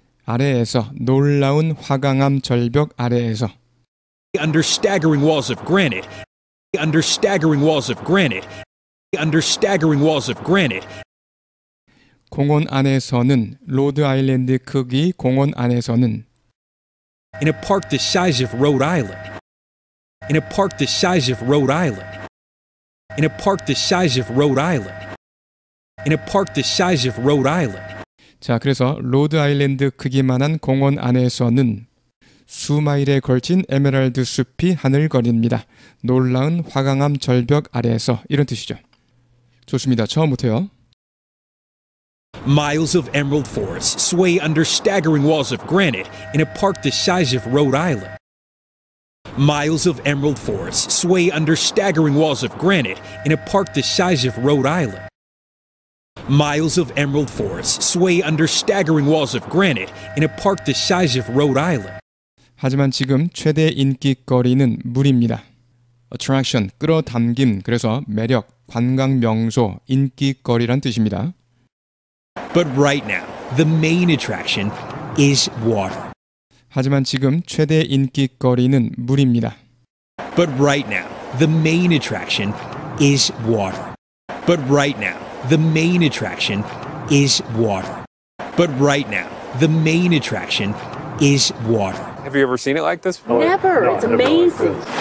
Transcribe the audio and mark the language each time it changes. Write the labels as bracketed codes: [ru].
[ko] 아래에서 놀라운 화강암 절벽 아래에서. [en] Under staggering walls of granite. Under staggering walls of granite. Under staggering walls of granite. [ko] 공원 안에서는, 로드 아일랜드 크기 공원 안에서는. [en] In a park the size of Rhode Island. In a park the size of Rhode Island. In a park the size of Rhode Island. In a park the size of Rhode Island. [ko] 자, 그래서 로드 아일랜드 크기만한 공원 안에서는 수마일에 걸친 에메랄드 숲이 하늘거립니다. 놀라운 화강암 절벽 아래에서, 이런 뜻이죠. 좋습니다. 처음부터요. [en] Miles of emerald forests sway under staggering walls of granite in a park the size of Rhode Island. Miles of emerald forests sway under staggering walls of granite in a park the size of Rhode Island. Miles of emerald forests sway under staggering walls of granite in a park the size of Rhode Island. [ko] 하지만 지금 최대 인기거리는 물입니다. Attraction, 끌어당김, 그래서 매력, 관광 명소, 인기거리란 뜻입니다. [en] But right now, the main attraction is water. [ko] 하지만 지금 최대 인기거리는 물입니다. [en] But right now, the main attraction is water. But right now, the main attraction is water. But right now, the main attraction is water. Have you ever seen it like this before? Never. No, it's amazing.